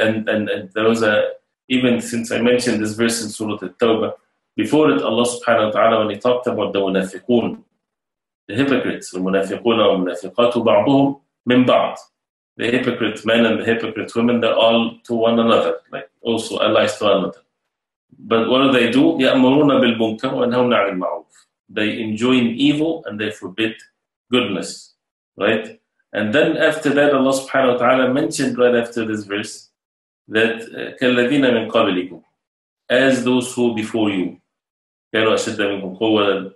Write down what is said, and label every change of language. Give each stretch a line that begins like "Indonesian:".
English: And there was even since I mentioned this verse in Surah At-Tawbah, before it, Allah subhanahu wa ta'ala, when he talked about the munafiqoon, the hypocrites,
Arabic: المنافقون والمنافقات بعضهم من بعض.
English: The hypocrite men and the hypocrite women, they're all to one another, like also allies to another. But what do they do?
Arabic: يأمرون بالمنكر ونهون عن المعروف.
English: They enjoin evil and they forbid goodness, right? And then after that, Allah subhanahu wa ta'ala mentioned right after this verse that
Arabic: كالذين من قبلكم,
English: as those who before you,
Arabic: كانوا أشد منكم قوة.